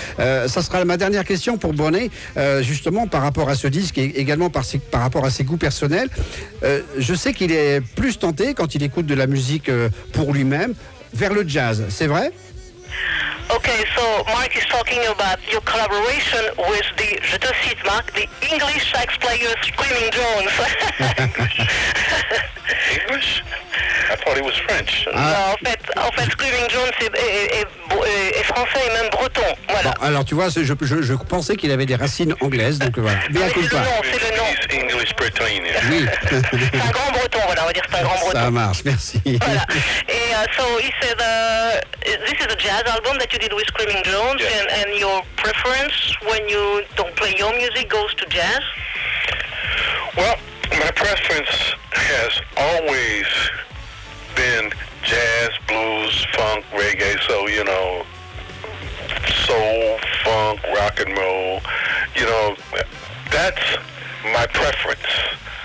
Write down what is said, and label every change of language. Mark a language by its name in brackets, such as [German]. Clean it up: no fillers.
[French] Ça sera ma dernière question pour Bonnet, justement par rapport à ce disque et également par rapport à ses goûts personnels. Je sais qu'il est plus tenté quand il écoute de la musique pour lui-même vers le jazz, c'est vrai? [English] Okay, so Mark is talking about your collaboration with the, [French] je te cite Mark, [English] the English sax player Screamin' Jones. English? I thought he was French. [French] En fait, Screamin' Jones est français et même breton. Voilà. Bon, alors tu vois, je pensais qu'il avait des racines anglaises, donc voilà. Mais à coup pas. C'est le nom. [English] English Breton. [French] Oui. C'est un grand breton, voilà, on va dire c'est un grand breton. Ça marche, merci. Voilà. [English] Et he said, this is a jazz album that you did with Screamin' Jones, yeah. and your preference when you don't play your music goes to jazz? Well, my preference has always been jazz, blues, funk, reggae, so, you know, soul, funk, rock and roll, you know, that's my preference.